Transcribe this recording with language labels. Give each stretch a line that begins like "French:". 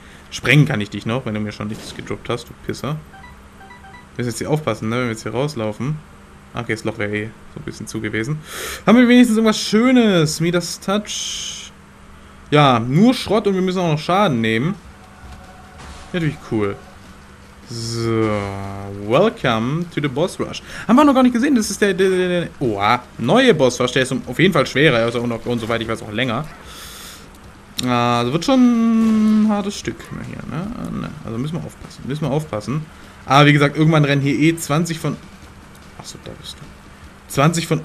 German: Sprengen kann ich dich noch, wenn du mir schon nichts gedroppt hast, du Pisser. Wir müssen jetzt hier aufpassen, ne, wenn wir jetzt hier rauslaufen. Okay, das Loch wäre eh so ein bisschen zu gewesen. Haben wir wenigstens irgendwas Schönes? Midas Touch. Ja, nur Schrott und wir müssen auch noch Schaden nehmen. Natürlich cool.
English: So, welcome to the Boss Rush.
German: Haben wir noch gar nicht gesehen, das ist der neue Boss Rush, der ist auf jeden Fall schwerer, also und soweit ich weiß auch länger. Also wird schon ein hartes Stück hier, ne? Also müssen wir aufpassen. Aber wie gesagt, irgendwann rennen hier eh 20 von... Achso, da bist du. 20 von...